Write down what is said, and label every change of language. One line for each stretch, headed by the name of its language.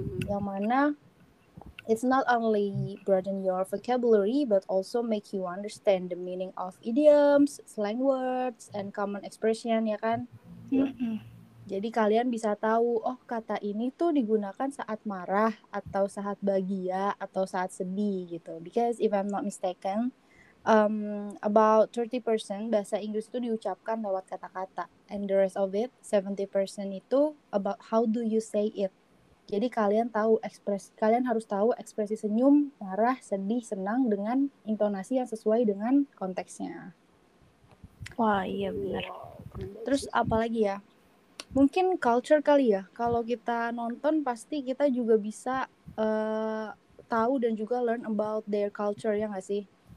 Indonesian: Yang mana
English: it's not only broaden your vocabulary but also make you understand the meaning of idioms, slang words, and common expression
Indonesian: ya kan. Jadi kalian bisa tahu, oh kata ini tuh digunakan saat marah, atau saat bahagia, atau saat sedih gitu.
English: Because if I'm not mistaken, about 30%
Indonesian: bahasa Inggris itu diucapkan lewat kata-kata.
English: And the rest of it, 70% itu about how do you say it.
Indonesian: Jadi kalian tahu kalian harus tahu ekspresi senyum, marah, sedih, senang dengan intonasi yang sesuai dengan konteksnya. Wah iya benar. Terus apalagi ya? Mungkin culture kali ya, kalau kita nonton pasti kita juga bisa tahu dan juga
English: learn about their culture,
Indonesian: ya nggak sih?